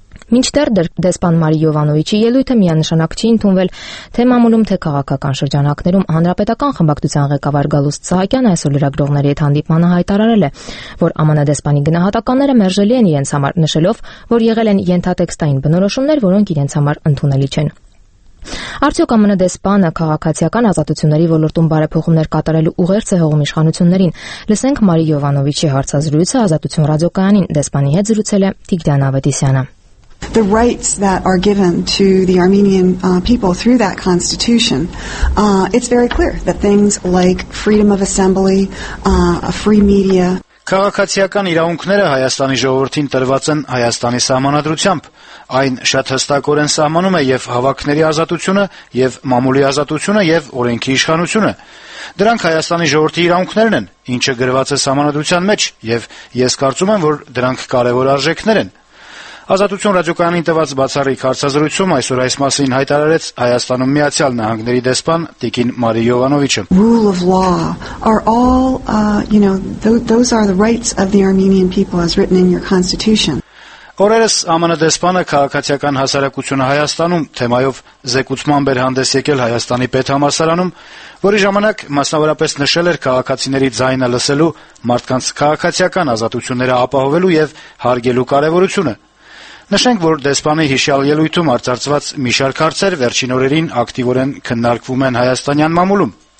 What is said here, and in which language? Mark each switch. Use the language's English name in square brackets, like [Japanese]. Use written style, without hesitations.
[Armenian] Մինչդեռ դեսպան Մարի Յովանովիչի ելույթը միանշանակ չի ընդունվել թե մամուլում, թե քաղաքական շրջանակներում։ Հանրապետական խմբակցության ղեկավար Գալուստ Սահակյանը այսօր լրագրողների հետ հանդիպմանը հայտարարել է, որ ԱՄՆ դեսպանի գնահատականները մերժելի են իրենց համար, նշելով, որ եղել են ենթատեքստային բնորոշումներ, որոնք իրենց համար ընդունելի չեն։ Արդյոք ԱՄՆ դեսպանը քաղաքացիական ազատությունների ոլորտում բարեփոխումներ կատարելու ուղերձ է հողում իշխանություններին։ Լսենք Մարի Յովանովիչի հարցազրույցը Ազատություն ռադիոկայանին, դեսպանի հետ զրուցել է Տիգրան Ավետիսյանը։ [English] The rights that are given to the Armenian people through that constitution, it's very clear that things like freedom of assembly, a free media. [Armenian] Քաղաքացիական իրավունքները Հայաստանի ժողովրդին տրված են Հայաստանի սահմանադրությամբ։ Այն շատ հստակորեն սահմանում է եւ հավաքների ազատությունը, եւ մամուլի ազատությունը, եւ օրենքի իշխանությունը։ Դրանք Հայաստանի ժողովրդի իրավունքներն են, ինչը գրված է սահմանադրության մեջ, եւ ես կարծում եմ, որ դրանք կարեւոր արժեքներ են։ Ազատություն ռադիոկայանին տված բացառիկ հարցազրույցում այսօր այս մասին հայտարարեց Հայաստանում Միացյալ Նահանգների դեսպան Տիկին Մարի Յովանովիչը։ [English] Rule of law are all, you know, those are the rights of the Armenian people as written in your constitution. [Armenian] Օրերս ԱՄՆ դեսպանը քաղաքացիական հասարակությունը Հայաստանում թեմայով զեկուցմամբ էր հանդես եկել Հայաստանի պետհամասարանում, որի ժամանակ մասնավորապես նշել էր քաղաքացիների ձայնը լսելու, մարդկանց քաղաքացիական ազատությունները ապահովելու եւ հարգելու կարեւորությունը։ Նշենք, որ դեսպանի հիշյալ ելույթում արձարծված մի շարք հարցեր վերջին օրերին ակտիվորեն քննարկվում են հայաստանյան մամուլում։